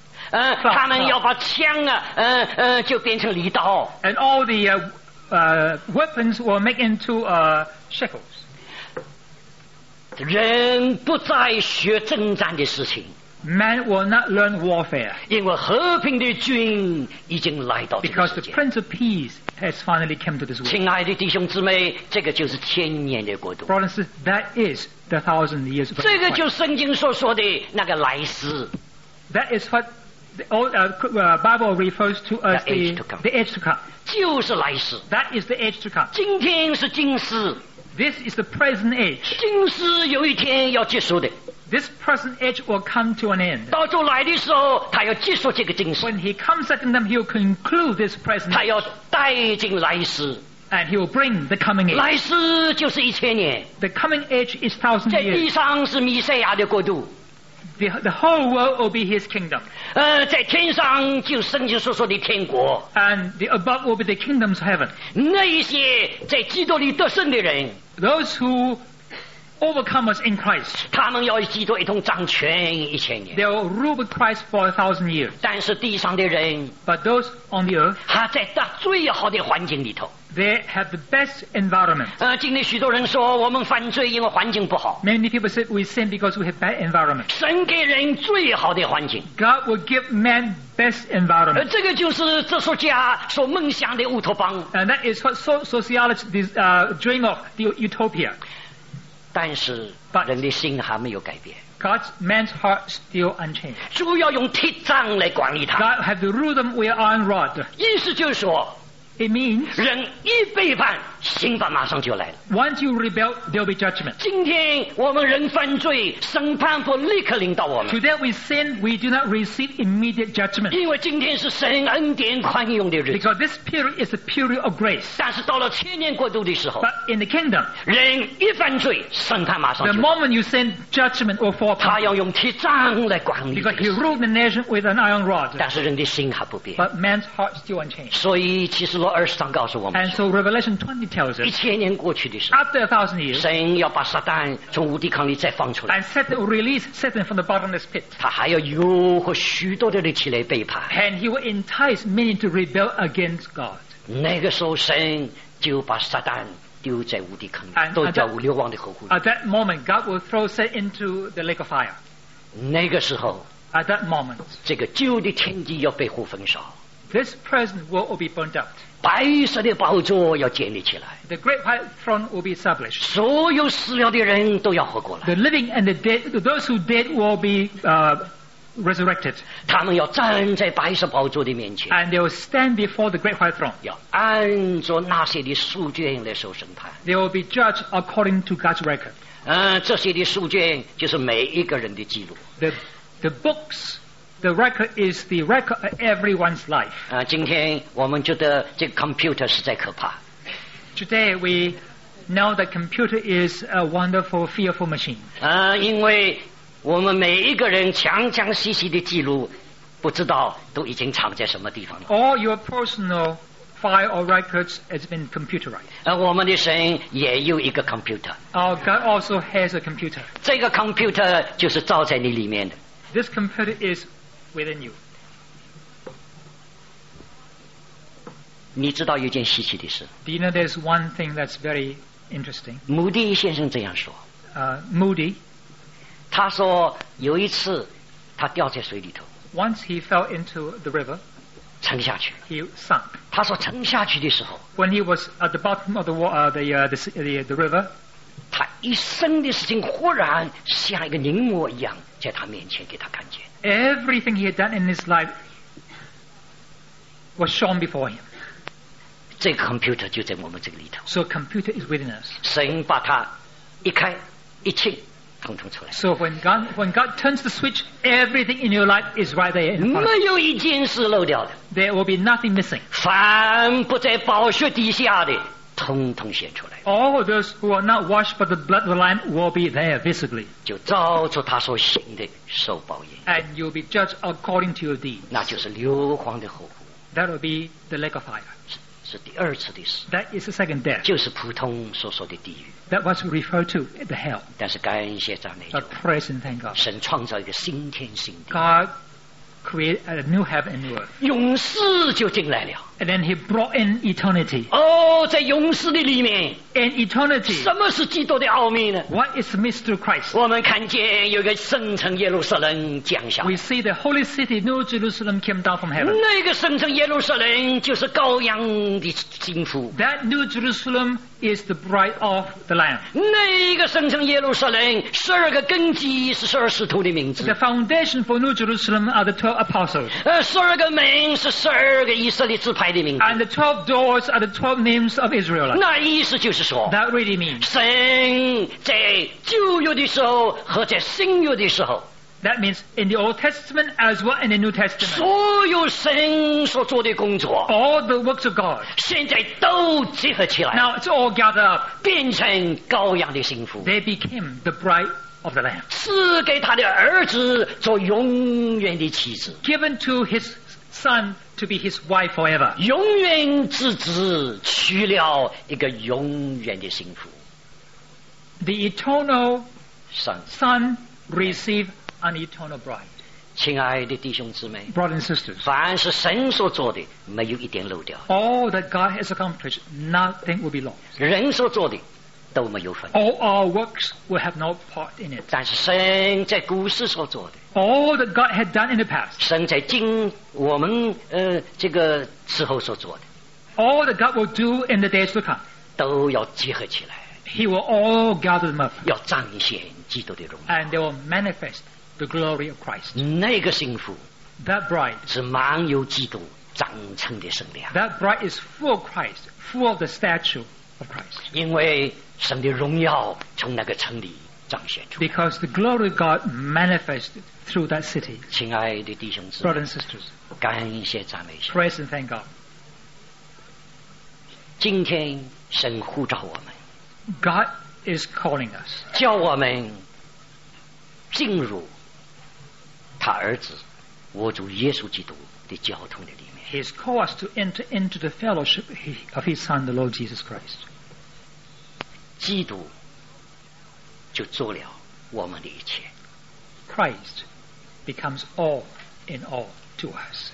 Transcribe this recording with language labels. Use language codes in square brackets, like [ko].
[zh] 他们要把枪啊就变成犁刀 [en] and all the weapons will make into shekels [zh] 人不再学征战的事情 [en] Man will not learn warfare. [zh] 因为和平的君已经来到这个世界。 [en] Because the Prince of Peace has finally come to this world. [zh] 亲爱的弟兄姊妹，这个就是千年的国度。 [en] Brothers and sisters, that is the thousand years. [zh] 这个就是圣经所说的那个来世。 [en] That is what the old Bible refers to as the age to come. [zh] 就是来世。 [en] That is the age to come. [zh] 今天是今世。 [en] This is the present age. [zh] 今世有一天要结束的。 [en] This present age will come to an end. [zh] 到主来的时候，他要结束这个今世。 [en] When he comes at them, he will conclude this present. [zh] 他要带进来世。 [en] And he will bring the coming age. [zh] 来世就是一千年。 [en] The coming age is thousand years. [zh] 在地上是弥赛亚的国度。 [en] The whole world will be his kingdom. [zh] 在天上就圣经所说的天国。 [en] And the above will be the kingdoms of heaven. [zh] 那一些在基督里得胜的人。 [en] Those who overcomers in Christ [zh] 他们要与基督一同掌权一千年 [en] they will rule with Christ for a thousand years [zh] 但是地上的人 [en] but those on the earth [zh] 还在他最好的环境里头 [en] they have the best environment [zh] 今天许多人说我们犯罪因为环境不好 [en] many people say we sin because we have bad environment [zh] 神给人最好的环境 [en] God will give man best environment [zh] 这个就是哲学家所梦想的乌托邦 [en] and that is what sociologists dream of the utopia [zh] 但是人的心还没有改变 [en] God's man's heart still unchanged [zh] 主要用铁杖来管理他 [en] God had to rule them with iron rod [zh] 意思就是说 [en] It means [zh] 人一背叛刑罚马上就来了 [en] Once you rebel there'll be judgment [zh] 今天我们人犯罪审判不立刻临到我们 [en] Today we sin we do not receive immediate judgment [zh] 因为今天是神恩典宽容的日子 [en] Because this period is a period of grace [zh] 但是到了千年国度的时候 [en] But in the kingdom [zh] 人一犯罪审判马上就来 [en] 了 The moment you sin judgment will fall [zh] 他要用铁杖来管理 [en] Because he ruled the nation with an iron rod [zh] 但是人的心还不变 [en] But man's heart still unchanged [zh] 所以启示录二十章告诉我们 [en] And so Revelation 20 [zh] 一千年过去的时候 [en] After a thousand years, [zh] 神要把撒旦从无底坑里再放出来 [en] and release Satan from the bottomless pit [zh] 他还要诱惑许多的人起来背叛 [en] and he will entice many to rebel against God [zh] 那个时候神就把撒旦丢在无底坑里都叫流亡的河湖 [en] at that moment God will throw Satan into the lake of fire [zh] 那个时候 [en] at that moment [zh] 这个旧的天地要被火焚烧 [en] This present world will be burned out. [zh] 白色的宝座要建立起来。 [en] The great white throne will be established. [zh] 所有死了的人都要活过来。 [en] The living and the dead, those who dead will be resurrected. [zh] 他们要站在白色宝座的面前。 [en] And they will stand before the great white throne. [zh] 要按照那些的数卷来受审判。 [en] They will be judged according to God's record. [zh] 这些的数卷就是每一个人的记录。 [en] The books. The record is the record of everyone's life. [zh] 今天我们觉得这个 computer 实在可怕。 [en] Today we know that computer is a wonderful, fearful machine. [zh] 因为我们每一个人详详细细的记录，不知道都已经藏在什么地方了。 [en] All your personal file or records has been computerized. [zh] 我们的神也有一个 computer. [en] Our God also has a computer. [zh] 这个 computer 就是造在你里面的。 [en] This comforter is within you. [zh] 你知道有件稀奇的事。 [en] Do you know there's one thing that's very interesting? [zh] 穆迪先生这样说。 [en] Moody, [zh] 他说有一次他掉在水里头。 [en] Once he fell into the river, [zh] 沉下去。 [en] He sunk. [zh] 他说沉下去的时候。 [en] When he was at the bottom of the river, [zh] 他一生的事情忽然像一个凝魔一样在他面前给他看见。 [en] Everything he had done in his life was shown before him. [zh] 这个 computer 就在我们这个里头。 [en] So computer is within us. [zh] 神把它一开一清，统统出来。 [en] So when God turns the switch, everything in your life is right there. [zh] 没有一件事漏掉的。 [en] There will be nothing missing. [zh] 凡不在宝血底下的，统统显出来。 [en] All those who are not washed by the blood of the Lamb will be there visibly. [zh] 就照着他所行的受报应。 [en] And you'll be judged according to your deeds. [zh] 那就是硫磺的火湖。 [en] That will be the lake of fire. [zh] 是第二次的死。 [en] That is the second death. [zh] 就是普通所说的地狱。 [en] That was referred to the hell. [zh] 但是感谢赞美主。 [en] But praise and thank God. [zh] 神创造一个新天新地。 [en] God created a new heaven and new earth. [zh] 永世就进来了。 [en] And then he brought in eternity. [zh] 哦，在永世的里面。 [en] In eternity. [zh] 什么是基督的奥秘呢？ [en] What is the mystery of Christ? [zh] 我们看见有个圣城耶路撒冷降下。 [en] We see the holy city, New Jerusalem, came down from heaven. [zh] 那个圣城耶路撒冷就是羔羊的金服。 [en] That New Jerusalem is the bride of the Lamb. [zh] 那个圣城耶路撒冷，十二个根基是十二使徒的名字。 [en] The foundation for New Jerusalem are the 12 apostles. [zh] 十二个门是十二个以色列支派的名字。 [en] And the 12 doors are the 12 names of Israel. [zh] 那意思就是。 [en] That really means [zh] 神在旧约的时候和在新约的时候。 [en] That means in the Old Testament as well in the New Testament. [zh] 所有神所做的工作。 [en] All the works of God. [zh] 现在都集合起来。 [en] Now it's all gathered up. [zh] 变成羔羊的心腹。 [en] They became the bride of the Lamb. [zh] 赐给他的儿子做永远的妻子。 [en] Given to his son. To be his wife forever. [zh] 永远之子娶了一个永远的幸福。 [en] The eternal son, son received an eternal bride. [zh] 亲爱的弟兄姊妹 [en] brothers and sisters, [zh] 凡是神所做的，没有一点漏掉。 [en] All that God has accomplished, nothing will be lost. [zh] 人所做的都没有份。 [en] All our works will have no part in it. [zh] 但是神在古时所做的。 [en] All that God had done in the past. [zh] 神在今我们这个时候所做的。 [en] All that God will do in the days to come. [zh] 都要集合起来。 [en] He will all gather them up. [zh] 要彰显基督的荣耀。 [en] And they will manifest the glory of Christ. [zh] 那个幸福。 [en] That bride. [zh] 是满有基督长成的圣量。 [en] That bride is full of Christ, full of the stature of Christ. [zh] 因为神的荣耀从那个城里彰显出来。 [en] Because the glory of God manifested through that city. [zh] 亲爱的弟兄姊妹 [en] brothers and sisters, [zh] 感谢赞美神。 [en] Praise and thank God. [zh] 今天神呼召我们。 [en] God is calling us. [zh] 叫我们进入他儿子我主耶稣基督的交通的里面。 [en] He has called us to enter into the fellowship of his son, the Lord Jesus Christ. [zh] 基督就做了我们的一切。 [en] Christ becomes all in all to us.